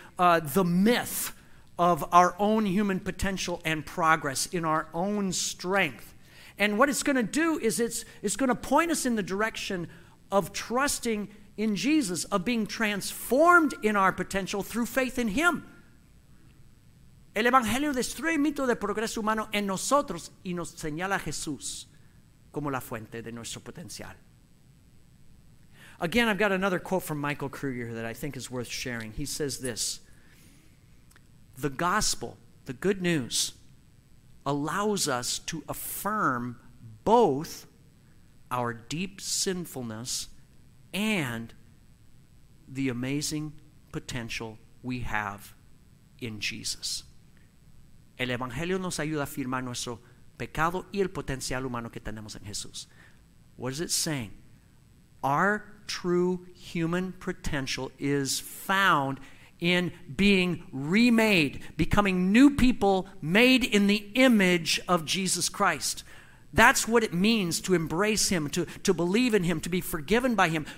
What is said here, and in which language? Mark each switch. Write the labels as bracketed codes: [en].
[en] the myth of our own human potential and progress in our own strength. And what it's going to do is it's going to point us in the direction of trusting in Jesus, of being transformed in our potential through faith in Him. [es] El Evangelio destruye el mito del progreso humano en nosotros y nos señala a Jesús como la fuente de nuestro potencial. [en] Again, I've got another quote from Michael Kruger that I think is worth sharing. He says this: the gospel, the good news, allows us to affirm both our deep sinfulness and the amazing potential we have in Jesus. [es] El Evangelio nos ayuda a afirmar nuestro pecado y el potencial humano que tenemos en Jesús. [en] What is it saying? Our true human potential is found in being remade, becoming new people made in the image of Jesus Christ. That's what it means to embrace Him, to believe in Him, to be forgiven by Him.